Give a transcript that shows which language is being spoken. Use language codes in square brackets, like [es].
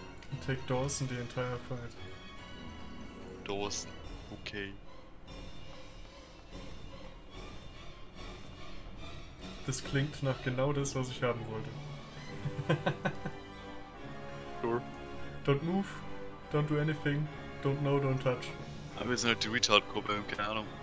[en] And take Dawson the entire fight. Dawson, okay. [de] Das klingt nach genau das, was ich haben wollte. [en] Sure. Don't move, don't do anything, don't know, don't touch. [de] Aber wir sind halt die Retard-Gruppe, keine Ahnung.